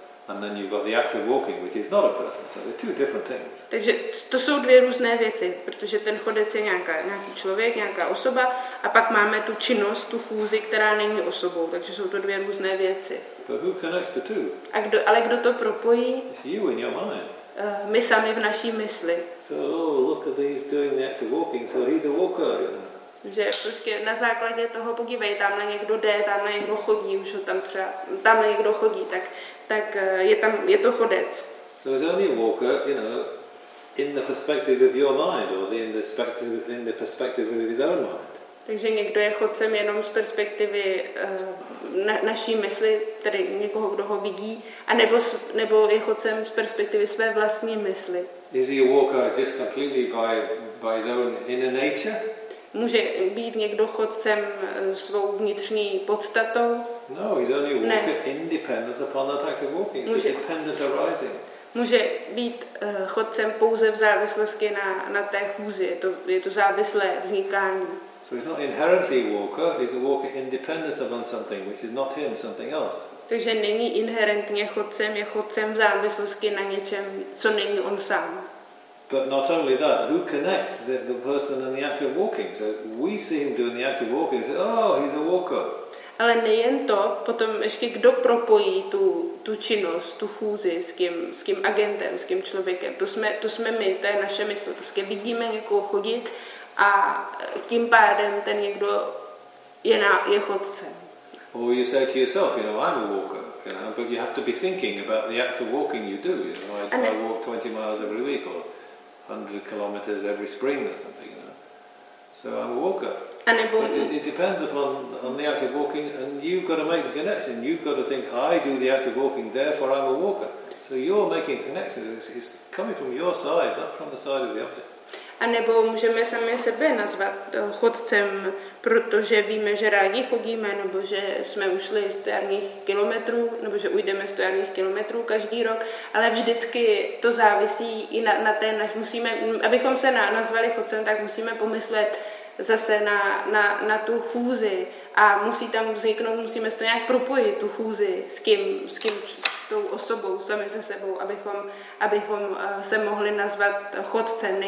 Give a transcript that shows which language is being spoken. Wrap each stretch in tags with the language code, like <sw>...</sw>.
<en>And then you've got the act of walking, which is not a person. So they're two different things.</en> <cs>Takže to jsou dvě různé věci, protože ten chodec je nějaký člověk, nějaká osoba, a pak máme tu činnost, tu chůzi, která není osobou. Takže jsou to dvě různé věci.</cs> <en>But who connects the two?</en> <cs>Ale kdo to propojí?</cs> <en>It's you in your mind.</en> <cs>My sami v naší mysli.</cs> <en>So look at he's doing the act of walking, so he's a walker. You know?</en> <cs>Že prostě na základě toho podívej, tam na někdo jde, tam na někdo chodí, už ho tam třeba, tam na někdo chodí, tak je to chodec.</cs> <en>So he's only a walker, you know, in the perspective of your mind, or in the perspective of his own mind.</en> <cs>Takže někdo je chodcem jenom z perspektivy naší mysli, tedy někoho, kdo ho vidí, nebo je chodcem z perspektivy své vlastní mysli.</cs> <en>Is he a walker just completely by his own inner nature?</en> <cs>Může být někdo chodcem svou vnitřní podstatou?</cs> <en>No, he's only a walker independent upon that act of walking. It's a dependent arising.</en> <cs>Může být chodcem pouze v závislosti na té chůzi. Je to závislé vznikání.</cs> <en>So he's not inherently a walker. He's a walker independent upon something, which is not him, something else.</en> <cs>Takže není inherentně chodcem, je chodcem v závislosti na něčem, co není on sám.</cs> <en>But not only that, who connects the person and the act of walking? So we see him doing the act of walking, say, oh, he's a walker.</en> <cs>Ale nejen to, potom ještě kdo propojí tu činnost, tu chůzi s kým agentem, s kým člověkem. To jsme my, to je naše mysl. Prostě vidíme někoho chodit a tím pádem ten někdo je chodcem.</cs> <en>Or you say to yourself, you know, I'm a walker, you know, but you have to be thinking about the act of walking you do, you know. I walk 20 miles every week or 100 kilometers every spring or something, you know. So I'm a walker. But it depends upon the act of walking, and you've got to make the connection. You've got to think, I do the act of walking, therefore I'm a walker. So you're making connections. It's coming from your side, not from the side of the object.</en> <cs>A nebo můžeme sami sebe nazvat chodcem, protože víme, že rádi chodíme, nebo že jsme ušli 100 jarních kilometrů, nebo že ujdeme 100 jarních kilometrů každý rok, ale vždycky to závisí i na té, musíme, abychom se nazvali chodcem, tak musíme pomyslet zase na tu chůzi a musí tam vzniknout, musíme to nějak propojit, tu chůzi s tou osobou, sami se sebou, abychom se mohli nazvat chodcem.</cs>